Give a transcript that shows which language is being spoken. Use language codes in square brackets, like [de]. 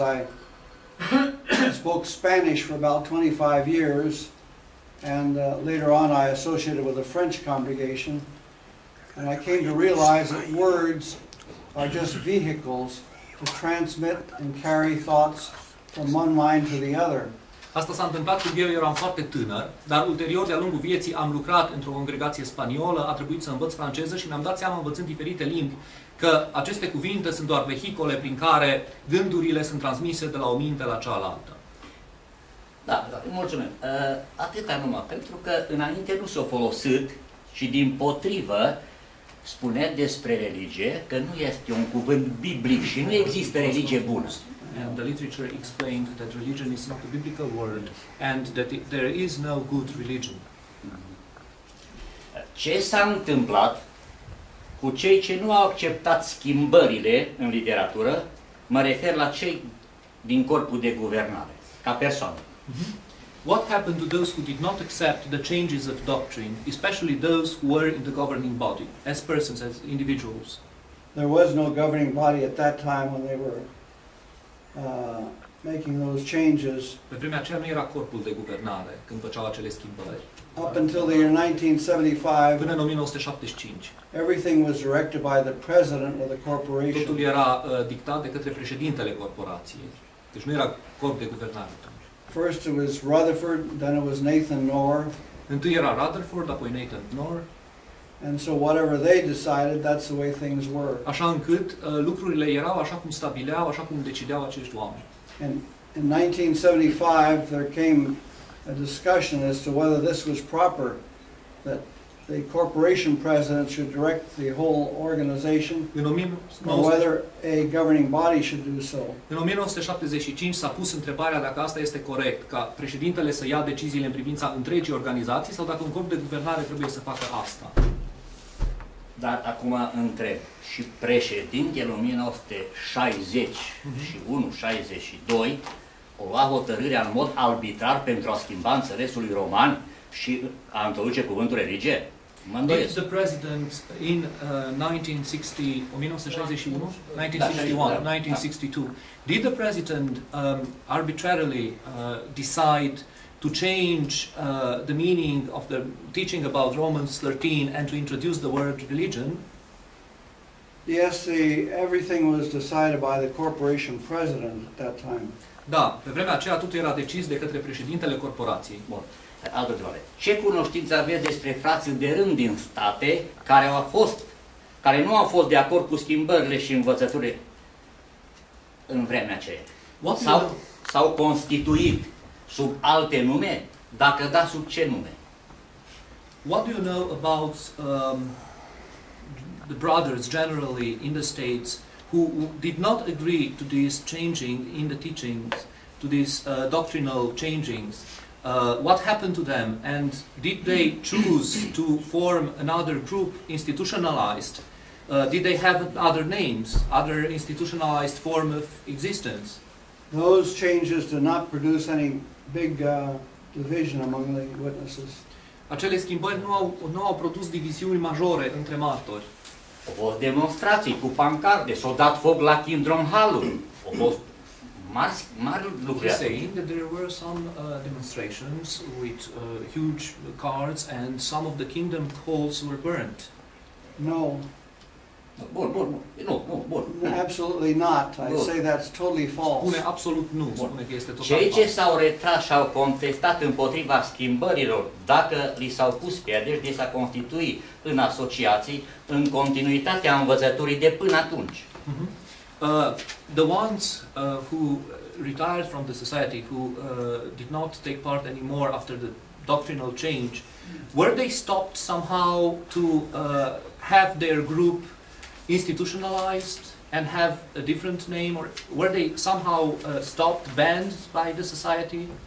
[en] I spoke Spanish for about 25 years, and later on I associated with a French congregation, and I came to realize that words are just vehicles to transmit and carry thoughts from one mind to the other. [ro] Asta s-a întâmplat când eu eram foarte tânăr, dar ulterior, de-a lungul vieții, am lucrat într-o congregație spaniolă, a trebuit să învăț franceză și mi-am dat seama, învățând diferite limbi, că aceste cuvinte sunt doar vehicole prin care gândurile sunt transmise de la o minte la cealaltă. Da, mulțumesc. Atâta numai, pentru că înainte nu s-o folosit și din potrivă, spune despre religie că nu este un cuvânt biblic și nu există religie bună. [en] And the literature explained that religion is not a biblical word and that there is no good religion. [ro] Ce s-a întâmplat cu cei ce nu au acceptat schimbările în literatură? Mă refer la cei din corpul de guvernare, ca persoană. [en] What happened to those who did not accept the changes of doctrine, especially those who were in the governing body, as persons, as individuals? There was no governing body at that time when they were making those changes. [ro] Pe vremea aceea nu era corpul de guvernare când făceau acele schimbări. [en] Up until the year 1975, [ro] până în 1975, [en] everything was directed by the president of the corporation. [ro] Totul era dictat de către președintele corporației. Deci nu era corp de guvernare. [en] First it was Rutherford, then it was Nathan Knorr. [ro] Întâi era Rutherford, apoi Nathan Knorr. [en] And so whatever they decided, that's the way things were. [ro] Așa încât lucrurile erau așa cum stabileau, așa cum decideau acești oameni. [en] And in 1975 there came a discussion as to whether this was proper, that the corporation president should direct the whole organization, or whether a governing body should do so. [ro] În 1975 s-a pus întrebarea dacă asta este corect, ca președintele să ia deciziile în privința întregii organizații sau dacă un corp de guvernare trebuie să facă asta. Dar acum întreb, și președintele 1961-62 o lua hotărârea în mod arbitrar pentru a schimba înțelesul roman și a introduce cuvântul religie? [en] Did the president in 1962, did the president arbitrarily decide to change the meaning of the teaching about Romans 13 and to introduce the word religion? Yes, everything was decided by the corporation president at that time. [ro] Da, pe vremea aceea totul era decis de către președintele corporației. Bun. Altă întrebare. Ce cunoștință aveți despre frații de rând din state care au fost, care nu au fost de acord cu schimbările și învățăturile în vremea aceea? S-au constituit sub alte nume? Dacă da, sub ce nume? [en] What do you know about the brothers generally in the states who did not agree to this changing in the teachings, to this doctrinal changings? What happened to them, and did they choose to form another group institutionalized? Did they have other names, other institutionalized form of existence? Those changes did not produce any big division among the witnesses. [ro] Acele schimbări nu au produs diviziuni majore între martori. Au fost demonstrații cu pancarde, s-au dat foc la Kingdom Hall-ul. Au fost mari lucruri. [en] He's saying that there were some demonstrations with huge cards and some of the Kingdom Halls were burnt. No. [ro] Bun. [en] Absolutely not. I say that's totally false. [ro] Spune absolut nu. Spune că este total cei ce s-au retras și au contestat împotriva schimbărilor, dacă li s-au pus piedici, de s-a constituit în asociații, în continuitatea învățăturii de până atunci. [en] The ones who retired from the society, who did not take part anymore after the doctrinal change, were they stopped somehow to have their group institutionalized and have a different name, or were they somehow stopped, banned by the society?